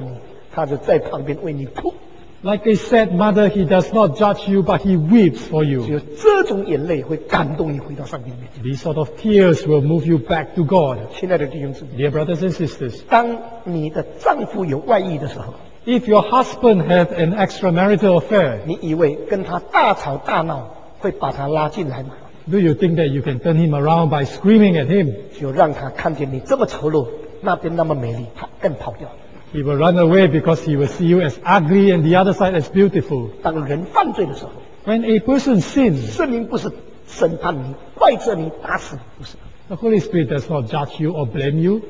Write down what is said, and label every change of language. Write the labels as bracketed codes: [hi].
[zh] 伤心的母亲，她不是审判你，她是在旁边为你哭。 [en] Like a sad mother, he does not judge you, but he weeps for you. [zh] 只有这种眼泪会感动你回到上帝面前。 [en] These sort of tears will move you back to God. [zh] 亲爱的弟兄姊妹， [en] Dear brothers and sisters, [zh] 当你的丈夫有外遇的时候， [en] If your husband had an extramarital affair, [zh] 你以为跟他大吵大闹， 会把他拉进来吗? [en] Do you think that you can turn him around by screaming at him? [zh] 就让他看见你这么丑陋，那边那么美丽，他更跑掉。 [en] He will run away because he will see you as ugly and the other side as beautiful. [zh] 当人犯罪的时候， [en] When a person sins, [zh] 圣灵不是审判你、怪责你、打死你，不是。 [en] The Holy Spirit does not judge you or blame you.